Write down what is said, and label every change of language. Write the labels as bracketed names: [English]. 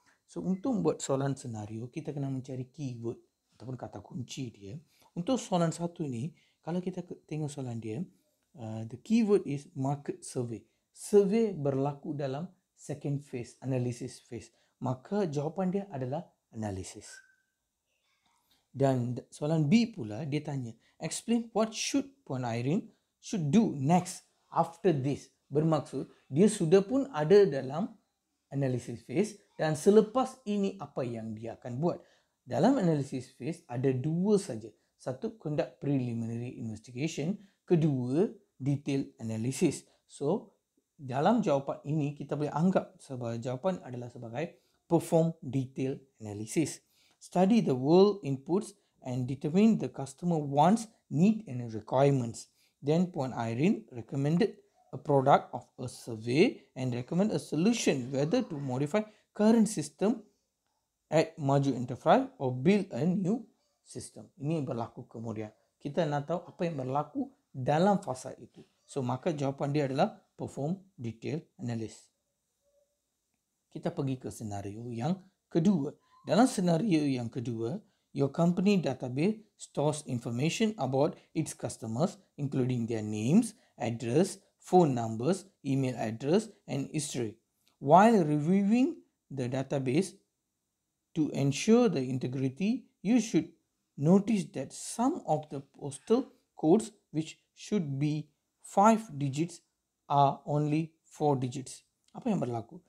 [Malay] So, untuk buat soalan senario, kita kena mencari keyword ataupun kata kunci dia. Untuk soalan satu ini, kalau kita tengok soalan dia, [English] the keyword is market survey. [Malay] Survey berlaku dalam second phase, analysis phase. Maka jawapan dia adalah analysis. Dan soalan B pula, dia tanya, [English] explain what should Puan Irene should do next after this. [Malay] Bermaksud, dia sudah pun ada dalam analysis phase dan selepas ini apa yang dia akan buat. Dalam analysis phase, ada dua saja. Satu, conduct preliminary investigation. Kedua, detail analysis. So, dalam jawapan ini, kita boleh anggap sebagai jawapan adalah sebagai perform detail analysis. [English] Study the world inputs and determine the customer wants, need and requirements. Then Puan Irene recommended a product of a survey and recommend a solution whether to modify current system at Maju Enterprise or build a new system. [Malay] Ini berlaku kemudian. Kita nak tahu apa yang berlaku dalam fasa itu. So, maka jawapan dia adalah perform detail analysis. Kita pergi ke senario yang kedua. Dalam senario yang kedua, [English] your company database stores information about its customers, including their names, address, phone numbers, email address, and history. While reviewing the database to ensure the integrity, you should notice that some of the postal codes, which should be 5 digits, are only 4 digits. [Malay] Apa yang berlaku?